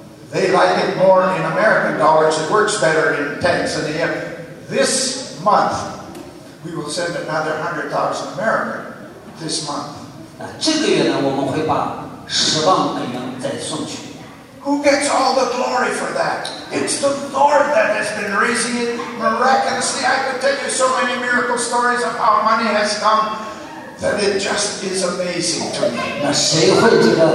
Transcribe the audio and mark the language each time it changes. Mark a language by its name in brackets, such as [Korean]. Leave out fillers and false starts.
[English] They like it more in American dollars. It works better in Tanzania. This month, we will send another 100,000 American this month. [Chinese] 这个月呢，我们会把10万美元再送去。 [English] Who gets all the glory for that? It's the Lord that has been raising it miraculously. I could tell you so many miracle stories of how money has come that it just is amazing to me.